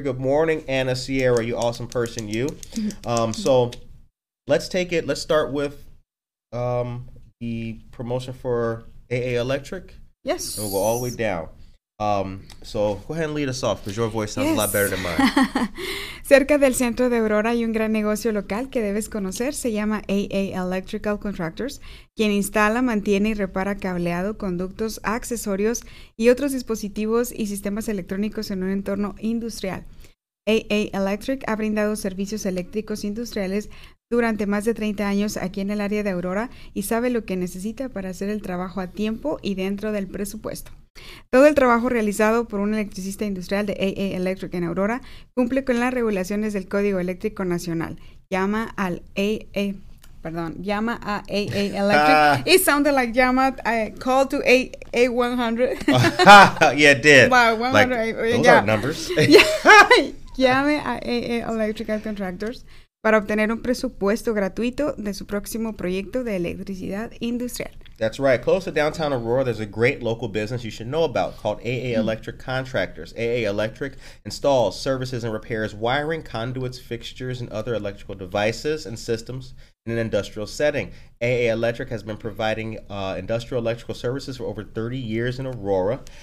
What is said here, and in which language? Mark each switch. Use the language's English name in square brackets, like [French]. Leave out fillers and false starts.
[English] Good morning, Anna Sierra, you awesome person, you. So let's take it. Let's start with the promotion for AA Electric. Yes. And we'll go all the way down. So go ahead and lead us off, because your voice sounds a lot better than mine. [Spanish] Cerca del centro de Aurora hay un gran negocio local que debes conocer. Se llama AA Electrical Contractors, quien instala, mantiene y repara cableado, conductos, accesorios y otros dispositivos y sistemas electrónicos en un entorno industrial. AA Electric ha brindado servicios eléctricos industriales durante más de 30 años aquí en el área de Aurora y sabe lo que necesita para hacer el trabajo a tiempo y dentro del presupuesto. Todo el trabajo realizado por un electricista industrial de AA Electric en Aurora cumple con las regulaciones del Código Eléctrico Nacional. Llama a AA Electric. [English] It sounded like llama, call to A100. Yeah, it did. Wow, 100. Like, those are numbers. [Spanish] Llame a AA Electrical Contractors para obtener un presupuesto gratuito de su próximo proyecto de electricidad industrial. [English] That's right. Close to downtown Aurora, there's a great local business you should know about called AA Electric Contractors. AA Electric installs, services, and repairs wiring, conduits, fixtures, and other electrical devices and systems in an industrial setting. AA Electric has been providing industrial electrical services for over 30 years in Aurora.